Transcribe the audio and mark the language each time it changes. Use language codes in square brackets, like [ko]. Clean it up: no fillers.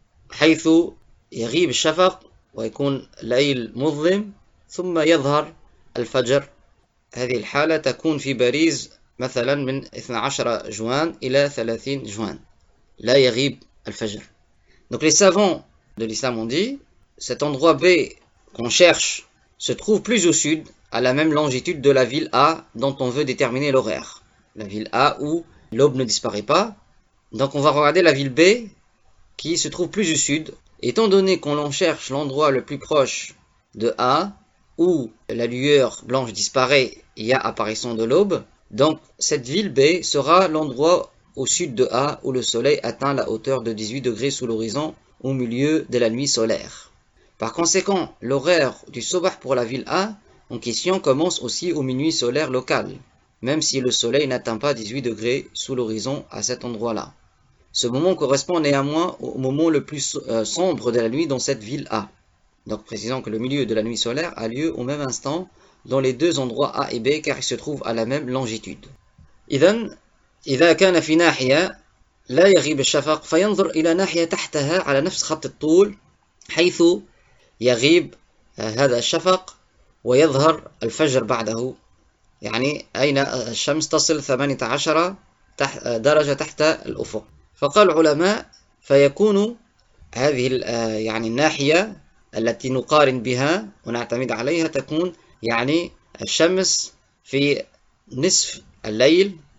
[ar] حيث يغيب الشفق ويكون الليل مظلم ثم يظهر الفجر هذه الحالة تكون في باريس مثلا من 12 جوان إلى 30 جوان لا يغيب الفجر [fr] Donc les savants de l'islam ont dit, cet endroit B qu'on cherche se trouve plus au sud, à la même longitude de la ville A dont on veut déterminer l'horaire. La ville A où l'aube ne disparaît pas. Donc on va regarder la ville B qui se trouve plus au sud. Étant donné qu'on cherche l'endroit le plus proche de A où la lueur blanche disparaît, il y a apparition de l'aube. Donc cette ville B sera l'endroit au sud de A où le soleil atteint la hauteur de 18 degrés sous l'horizon. Au milieu de la nuit solaire. Par conséquent, l'horaire du sobah pour la ville A en question commence aussi au minuit solaire local, même si le soleil n'atteint pas 18 degrés sous l'horizon à cet endroit-là. Ce moment correspond néanmoins au moment le plus sombre de la nuit dans cette ville A. Donc, précisons que le milieu de la nuit solaire a lieu au même instant dans les deux endroits A et B car ils se trouvent à la même longitude. [ar] إذن, إذا كان في ناحية لا يغيب الشفق فينظر إلى ناحية تحتها على نفس خط الطول حيث يغيب هذا الشفق ويظهر الفجر بعده يعني أين الشمس تصل 18 درجة تحت الأفق فقال العلماء فيكون هذه يعني الناحية التي نقارن بها ونعتمد عليها تكون يعني الشمس في نصف الليل